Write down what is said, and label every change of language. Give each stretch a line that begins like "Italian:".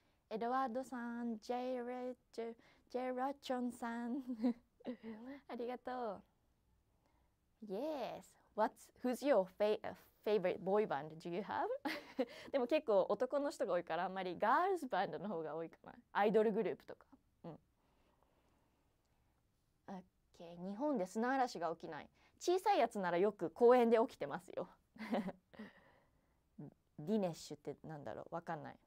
Japanese: エドワードさん、ジェイ・ロチョンさん。ありがとう。Yes.
English: Who's your favorite boy band do you have?
Japanese: でも結構男の人が多いからあんまりガールズバンドの方が多いかな。アイドルグループとか。日本で砂嵐が起きない。小さいやつならよく公園で起きてますよ。ディネッシュってなんだろう、わかんない。